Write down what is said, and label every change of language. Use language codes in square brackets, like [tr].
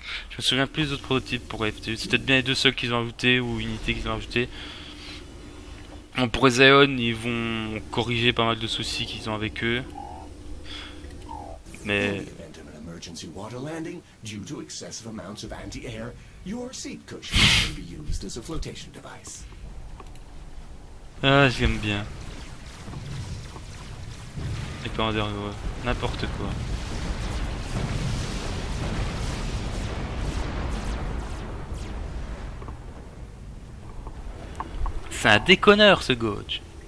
[fr] Je me souviens plus d'autres prototypes pour FTU. C'est peut-être bien les deux seuls qu'ils ont ajouté ou unités qu'ils ont ajouté. Bon, pour les Zion, ils vont corriger pas mal de soucis qu'ils ont avec eux. Mais. [en] Water landing due to excessive amounts of anti-air, your seat cushion can be used as a flotation device. [fr] Ah, j'aime bien. Et pas en dernier, n'importe quoi. C'est un déconneur, ce Gauge.